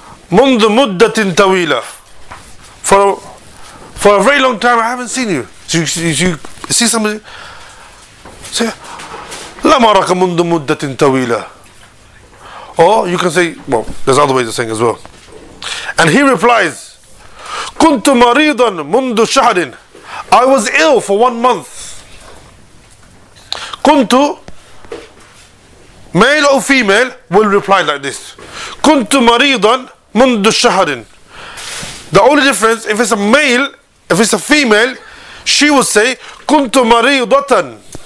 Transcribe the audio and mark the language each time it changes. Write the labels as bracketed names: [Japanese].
[Arabic] منذ مدة طويلة. [English] For a very long time, I haven't seen you. So you see somebody, say, [Arabic] لم أرك منذ مدة طويلة. [English] Or you can say, well, there's other ways of saying as well. And he replies, [Arabic] كنت مريضا منذ شهر. [English] I was ill for 1 month. كنت, male or female, will reply like this. [Arabic] كنت مريضا منذ شهر. [English] The only difference, if it's a male, if it's a female, she would say, [Arabic] كنت مريضة.